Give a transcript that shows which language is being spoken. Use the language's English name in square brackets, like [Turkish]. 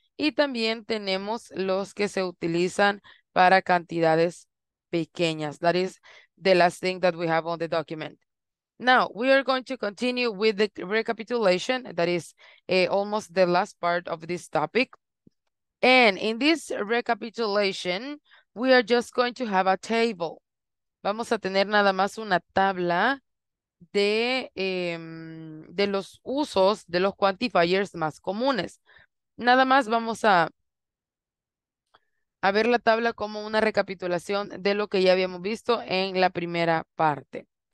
[Spanish] Y también tenemos los que se utilizan para cantidades pequeñas. [English] That is the last thing that we have on the document. Now, we are going to continue with the recapitulation. That is almost the last part of this topic. And in this recapitulation, we are just going to have a table. [Spanish] vamos a tener nada más una tabla de los usos de los quantifiers más comunes. Nada más vamos a ver la tabla como una recapitulación de lo que ya habíamos visto en la primera parte.